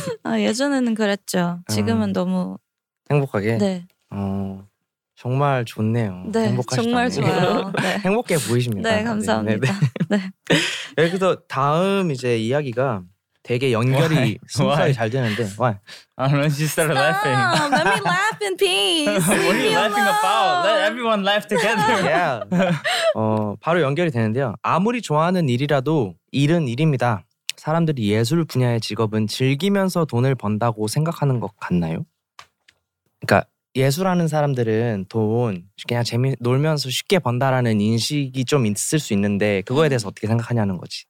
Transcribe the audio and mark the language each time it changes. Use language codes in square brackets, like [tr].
[ko] 아, 예전에는 그랬죠. 지금은 너무 행복하게. 네. 정말 좋네요. 네, 정말 좋아요. 네. 행복해 보이십니다. 네, 감사합니다. 네. 네. 여기서 다음 이제 이야기가 되게 연결이 순수하게 잘 되는데. [en] Why? She started laughing. Let me laugh in peace. What are you laughing about? Let everyone laugh together. [ko] Yeah. 바로 연결이 되는데요. 아무리 좋아하는 일이라도 일은 일입니다. 사람들이 예술 분야의 직업은 즐기면서 돈을 번다고 생각하는 것 같나요? 그러니까 예술하는 사람들은 돈 그냥 재미 놀면서 쉽게 번다라는 인식이 좀 있을 수 있는데 그거에 대해서 어떻게 생각하냐는 거지.